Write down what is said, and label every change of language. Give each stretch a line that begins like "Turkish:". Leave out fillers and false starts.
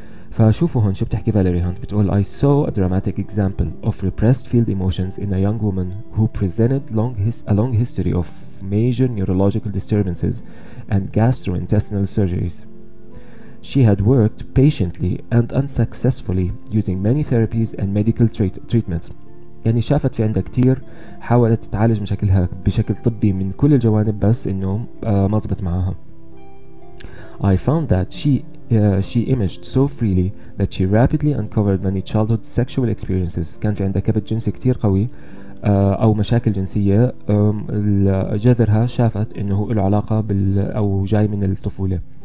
Arabic: فشوفوا هون شو بتحكي فاليري هانت، بتقول
English: I saw a dramatic example of repressed field emotions in a young woman who presented a long history of major neurological disturbances and gastrointestinal surgeries. She had worked patiently and unsuccessfully using many therapies and medical treatments.
Arabic: يعني شافت في عندها كتير، حاولت تتعالج مشاكلها بشكل طبي من كل الجوانب بس إنه ما زبط معها.
English: I found that she imaged so freely that she rapidly uncovered many childhood sexual experiences.
Arabic: كان في عندها كبت جنسي كتير قوي أو مشاكل جنسية، جذرها شافت إنه له علاقة أو جاي من الطفولة.